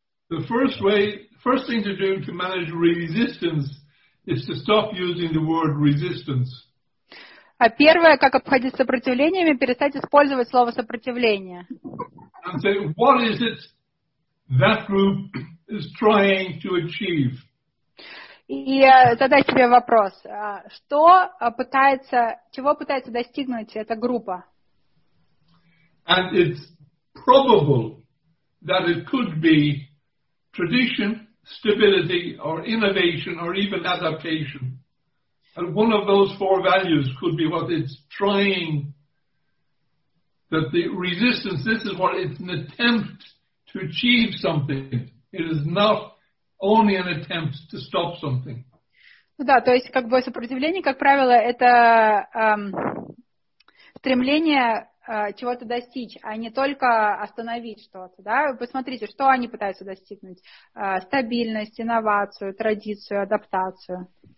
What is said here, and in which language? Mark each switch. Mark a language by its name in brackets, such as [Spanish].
[English] The first way, first thing to do to manage resistance is to stop using the word resistance. [Russian] А первое, как обходиться сопротивлениями, перестать использовать слово сопротивление. [English] And say, what is it that group is trying to achieve? [Russian] И задать себе вопрос, что пытается, чего пытается достигнуть эта группа? [English] And it's probable that it could be tradition, stability, or innovation, or even adaptation. And one of those four values could be what it's trying, that the resistance, this is what it's an attempt to achieve something. It is not only an attempt to stop something. [Russian] Да, то есть как бы сопротивление, как правило, это стремление чего-то достичь, а не только остановить что-то. Да? Посмотрите, что они пытаются достигнуть. Стабильность, инновацию, традицию, адаптацию.